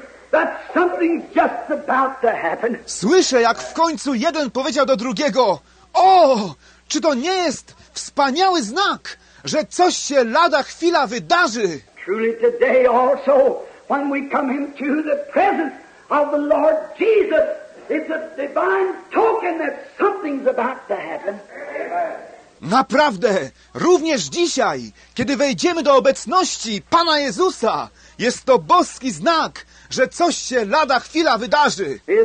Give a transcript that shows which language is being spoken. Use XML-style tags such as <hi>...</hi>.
<en>that something's just about to happen.</en> <pl>Słyszę, jak w końcu jeden powiedział do drugiego: o, czy to nie jest wspaniały znak, że coś się lada chwila wydarzy?</pl> <en>Truly today also, when we come into the presence of the Lord Jesus, it's a divine token that something's about to happen.</en> <pl>Naprawdę, również dzisiaj, kiedy wejdziemy do obecności Pana Jezusa, jest to boski znak, że coś się lada chwila wydarzy.</pl>